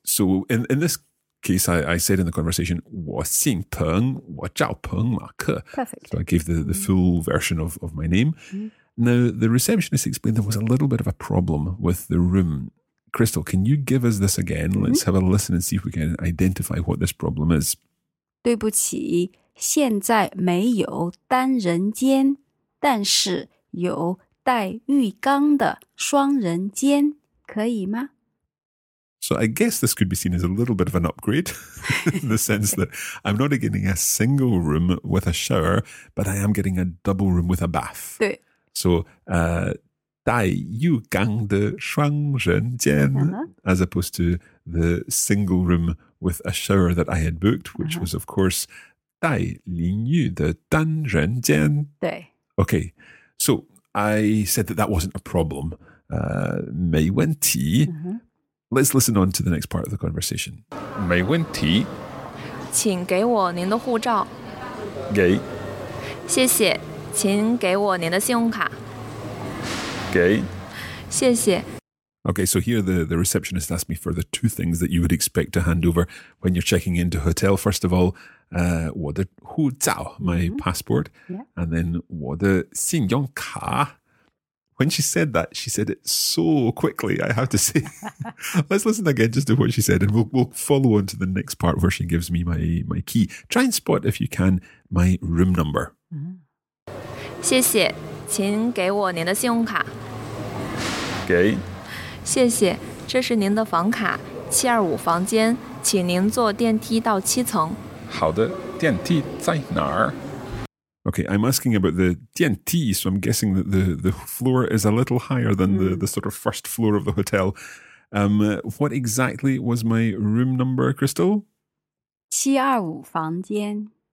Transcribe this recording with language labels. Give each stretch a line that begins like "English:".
English: So in this case, I said in the conversation,
Chinese: 我姓彭,我叫彭马克.
English: Perfect. So I gave the full version of my name. Mm-hmm. Now, the receptionist explained there was a little bit of a problem with the room. Crystal, can you give us this again? Mm-hmm. Let's have a listen and see if we can identify what this problem is.
Chinese: 对不起,现在没有单人间,但是有带浴缸的双人间,可以吗?
English: So I guess this could be seen as a little bit of an upgrade in the sense that I'm not getting a single room with a shower, but I am getting a double room with a bath.
Chinese: 对。
English: So,
Chinese: 带浴缸的双人间
English: as opposed to the single room with a shower that I had booked, which was, of course,
Chinese: 带淋浴的单人间。对。
English: Okay, so I said that wasn't a problem.
Chinese: 没问题。
English: Let's listen on to the next part of the conversation.
Chinese: 没问题。请给我您的护照。给。谢谢。请给我您的信用卡。给。谢谢。
English: Okay, so here the receptionist asked me for the two things that you would expect to hand over when you're checking into a hotel. First of all,
Chinese: 我的护照,
English: my passport. Yeah. And then
Chinese: 我的信用卡。
English: When she said that, she said it so quickly, I have to say. Let's listen again just to what she said, and we'll follow on to the next part where she gives me my key. Try and spot, if you can, my room number.
Chinese: 谢谢,请给我您的信用卡。给。谢谢,这是您的房卡,725房间,请您坐电梯到七层。好的,电梯在哪儿?
English: Okay, I'm asking about the 电梯, so I'm guessing that the floor is a little higher than the sort of first floor of the hotel. What exactly was my room number, Crystal?
Chinese: 725房间.